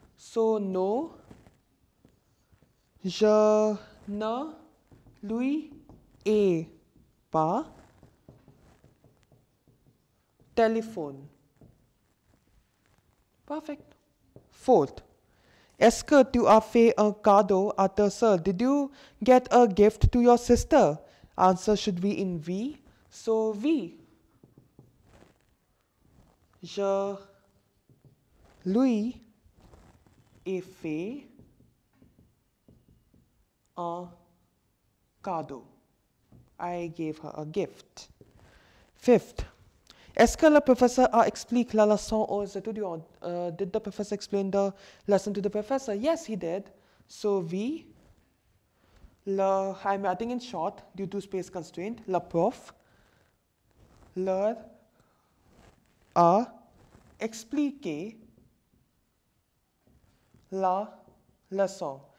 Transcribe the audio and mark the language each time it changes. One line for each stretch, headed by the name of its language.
English: So no,
French: je ne lui ai pas téléphoné.
English: Perfect. Fourth,
French: est-ce que tu as fait un cadeau à ta sœur?
English: Did you get a gift to your sister? Answer should be in V. So V.
French: Je lui ai fait un cadeau.
English: I gave her a gift. Fifth,
French: est-ce que le professeur a expliqué la leçon aux étudiants?
English: Did the professor explain the lesson to the professor? Yes, he did. So V. Le, I'm adding in short due to space constraint.
French: Le prof. Leur a expliqué la leçon.